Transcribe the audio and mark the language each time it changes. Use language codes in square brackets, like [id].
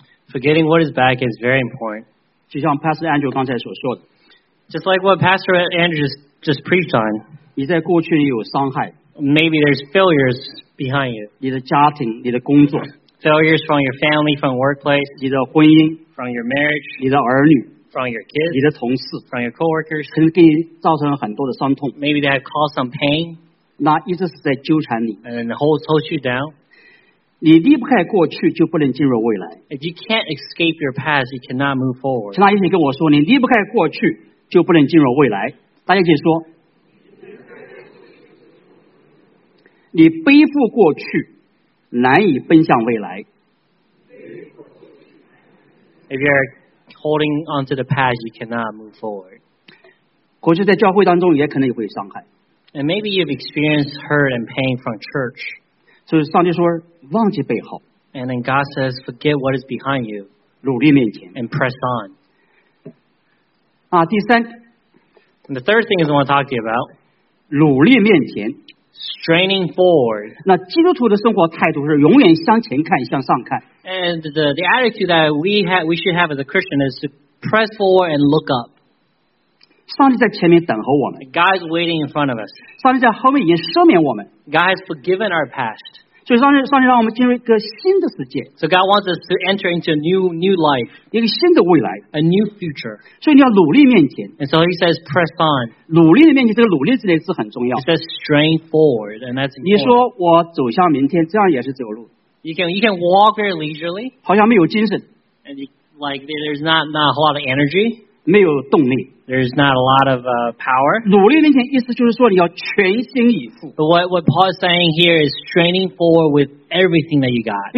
[en] Forgetting what is back is very important. [zh] 就像 Pastor Andrew 刚才所说的。 [en] Just like what Pastor Andrew just preached on. [zh] 你在过去有伤害。 [en] Maybe there's failures behind you. [zh] 你的家庭，你的工作。 [en] Failures from your family, from workplace, [zh] 你的婚姻 [en] from your marriage, [zh] 你的儿女 [en] from your kids, [zh] 你的同事 [en] from your coworkers, [zh] 可能给你造成了很多的伤痛 [en] maybe they have caused some pain, [zh] 那一直是在纠缠你 [en] and holds you down, [zh] 你离不开过去就不能进入未来 [en] if you can't escape your past, you cannot move forward, [zh] 其他医生跟我说你离不开过去就不能进入未来大家一起说你背负过去难以奔向未来。 [en] If you're holding onto the past, you cannot move forward. [zh] 过去在教会当中也可能也会有伤害。 [en] And maybe you've experienced hurt and pain from church. [zh] 所以上帝说，忘记背后。 [en] And then God says, forget what is behind you. [zh] 努力面前。 [en] And press on. [zh] 啊，第三。 [en] And the third thing is I want to talk to you about. [zh] 努力面前。 [en] Straining forward. [zh] 那基督徒的生活态度是永远向前看，向上看。 [en] And the attitude that we should have as a Christian is to press forward and look up. [zh] 上帝在前面等候我们。 [en] God is waiting in front of us. [zh] 上帝在后面已经赦免我们。 [en] God has forgiven our past. [zh] 所以上帝让我们进入一个新的世界。 [en] So God wants us to enter into a new life. [zh] 一个新的未来。 [en] A new future. [zh] 所以你要努力面前。 [en] And so he says press on. [zh] 努力的面前，这个努力这个字很重要。 [en] He says strain forward. And that's important. [zh] 你说我走向明天，这样也是走路。 [en] You can walk very leisurely. [zh] 好像没有精神。 [en] And there's not a lot of energy. [zh] 没有动力。 [en] There's not a lot of power. [zh] 努力面前意思就是说你要全心以赴。 [en] But what Paul is saying here is straining forward with everything that you got.